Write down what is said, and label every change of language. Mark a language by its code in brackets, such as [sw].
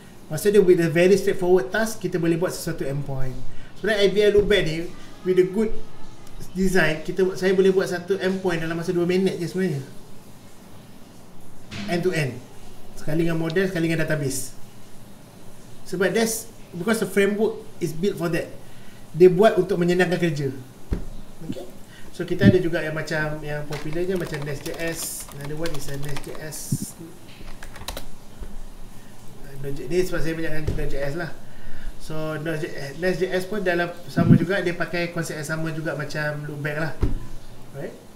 [ms] Maksudnya [en] with a very straightforward task, [ms] kita boleh buat sesuatu endpoint. Sebenarnya IBM Lubeck ni, [en] with a good design, [ms] saya boleh buat satu endpoint dalam masa 2 minit je sebenarnya. [en] End to end. [ms] Sekali dengan model, sekali dengan database. Sebab [en] that's because the framework is built for that. [ms] Dia buat untuk menyenangkan kerja. Okay. So kita ada juga yang macam yang popular je, macam Next.js. [en] Another one is Next.js. [ms] Ini sebab saya banyak dengan Next.js lah. So Next.js pun dalam sama juga, dia pakai konsep yang sama juga macam Lubeck lah. Right.